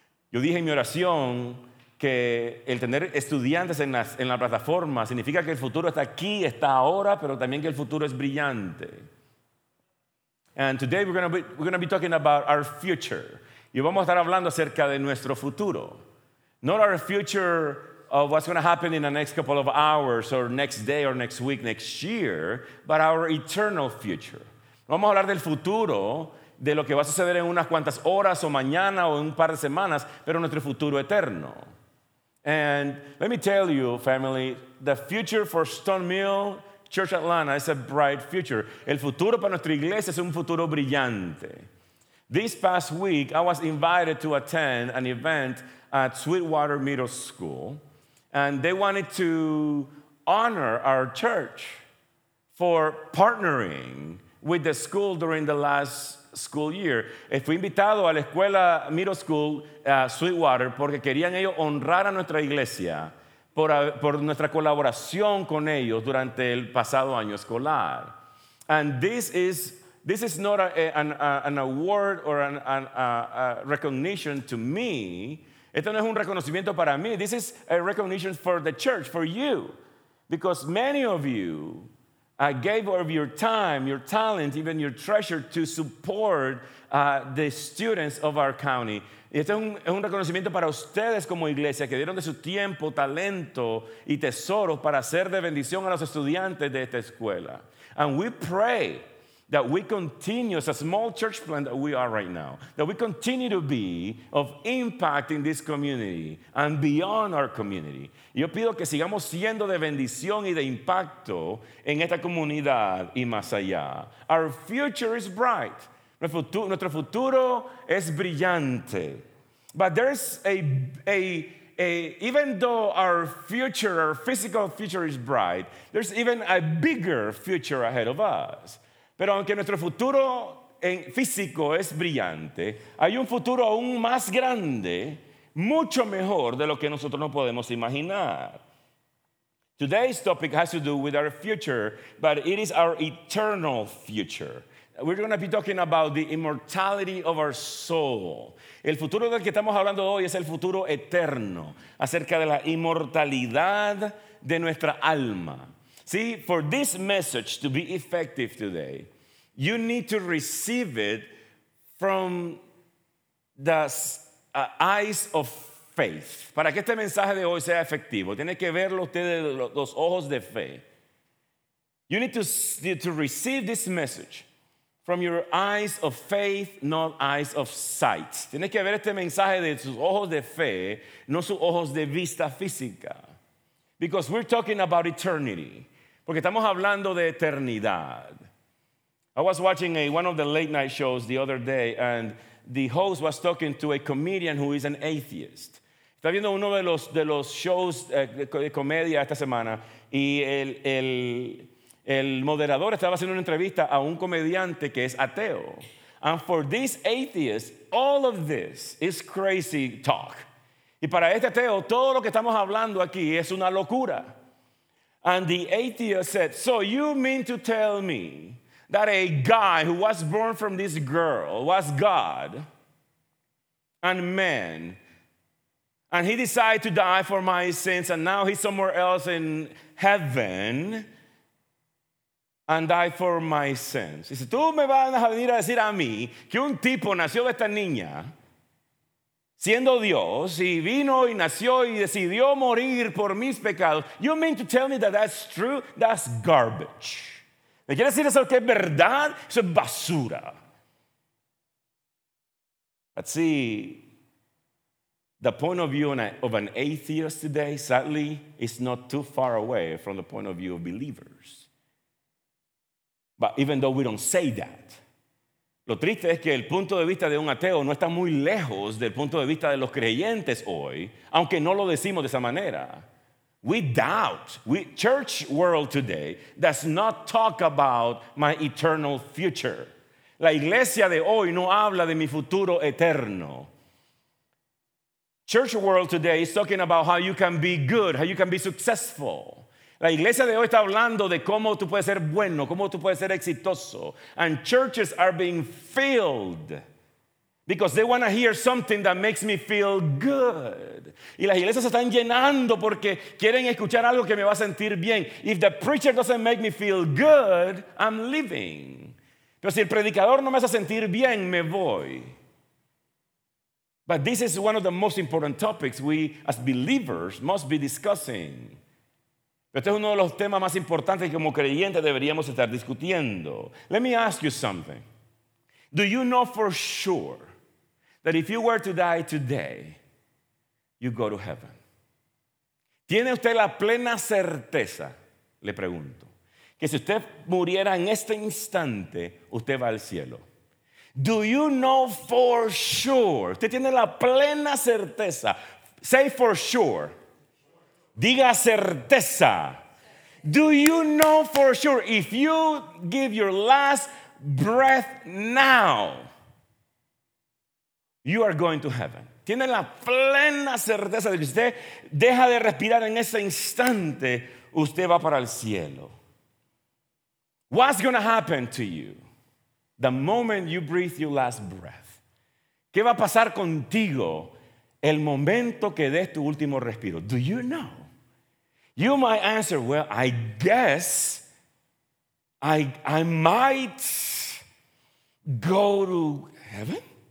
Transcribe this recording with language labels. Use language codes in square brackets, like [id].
[es] Yo dije en mi oración que el tener estudiantes en la plataforma significa que el futuro está aquí, está ahora, pero también que el futuro es brillante. [en] And today we're going to be talking about our future. [es] Y vamos a estar hablando acerca de nuestro futuro. [en] Not our future of what's going to happen in the next couple of hours or next day or next week, next year, but our eternal future. [es] Vamos a hablar del futuro, de lo que va a suceder en unas cuantas horas o mañana o en un par de semanas, pero nuestro futuro eterno. [en] And let me tell you, family, the future for Stone Mill Church Atlanta is a bright future. [es] El futuro para nuestra iglesia es un futuro brillante. [en] This past week, I was invited to attend an event at Sweetwater Middle School, and they wanted to honor our church for partnering with the school during the last school year. [es] Fui invitado a la escuela Middle School Sweetwater porque querían ellos honrar a nuestra iglesia por nuestra colaboración con ellos durante el pasado año escolar. [en] And this is not an award or a recognition to me. [es] Esto no es un reconocimiento para mí. [en] This is a recognition for the church, for you. Because many of you gave of your time, your talent, even your treasure to support the students of our county. [es] Y este es un reconocimiento para ustedes como iglesia que dieron de su tiempo, talento y tesoros para ser de bendición a los estudiantes de esta escuela. [en] And we pray that we continue as a small church plant that we are right now, that we continue to be of impact in this community and beyond our community. [es] Yo pido que sigamos siendo de bendición y de impacto en esta comunidad y más allá. [en] Our future is bright. [es] Nuestro futuro es brillante. [en] But there's even though our future, our physical future is bright, there's even a bigger future ahead of us. [es] Pero aunque nuestro futuro físico es brillante, hay un futuro aún más grande, mucho mejor de lo que nosotros no podemos imaginar. [en] Today's topic has to do with our future, but it is our eternal future. We're going to be talking about the immortality of our soul. [es] El futuro del que estamos hablando hoy es el futuro eterno, acerca de la inmortalidad de nuestra alma. [en] See, for this message to be effective today, you need to receive it from the eyes of faith. [es] Para que este mensaje de hoy sea efectivo, tiene que verlo usted de los ojos de fe. [en] You need to receive this message from your eyes of faith, not eyes of sight. [es] Tiene que ver este mensaje de sus ojos de fe, no sus ojos de vista física. [en] Because we're talking about eternity. [es] Porque estamos hablando de eternidad. [en] I was watching one of the late night shows the other day, and the host was talking to a comedian who is an atheist. [es] Está viendo uno de los shows de comedia esta semana, y el moderador estaba haciendo una entrevista a un comediante que es ateo. [en] And for this atheist, all of this is crazy talk. [es] Y para este ateo, todo lo que estamos hablando aquí es una locura. [en] And the atheist said, "So you mean to tell me that a guy who was born from this girl was God and man, and he decided to die for my sins, and now he's somewhere else in heaven and died for my sins?" [es] Dice, "¿Tú me vas a venir a decir a mí que un tipo nació de esta niña siendo Dios, y vino y nació y decidió morir por mis pecados? [en] You mean to tell me that that's true? That's garbage. [es] ¿Me quieres decir eso que es verdad? Eso es basura." [en] But see, the point of view of an atheist today, sadly, is not too far away from the point of view of believers. But even though we don't say that, [es] lo triste es que el punto de vista de un ateo no está muy lejos del punto de vista de los creyentes hoy, aunque no lo decimos de esa manera. [en] We doubt. Church world today does not talk about my eternal future. [es] La iglesia de hoy no habla de mi futuro eterno. [en] Church world today is talking about how you can be good, how you can be successful. [es] La iglesia de hoy está hablando de cómo tú puedes ser bueno, cómo tú puedes ser exitoso. [en] And churches are being filled Because they want to hear something that makes me feel good. [es] Y las iglesias se están llenando porque quieren escuchar algo que me va a sentir bien. [en] If the preacher doesn't make me feel good, I'm leaving. [es] Pero si el predicador no me hace sentir bien, me voy. [en] But this is one of the most important topics we as believers must be discussing. [es] Este es uno de los temas más importantes que como creyentes deberíamos estar discutiendo. [en] Let me ask you something. Do you know for sure that if you were to die today, you go to heaven? [es] ¿Tiene usted la plena certeza, le pregunto, que si usted muriera en este instante, usted va al cielo? [en] Do you know for sure? [es] ¿Usted tiene la plena certeza? [en] Say for sure. [es] Diga certeza. [en] Do you know for sure? If you give your last breath now, you are going to heaven. [es] Tiene la plena certeza de que usted deja de respirar en ese instante, usted va para el cielo. [en] What's going to happen to you the moment you breathe your last breath? [es] ¿Qué va a pasar contigo el momento que des tu último respiro? [en] Do you know? You might answer, well, I guess I might go to heaven.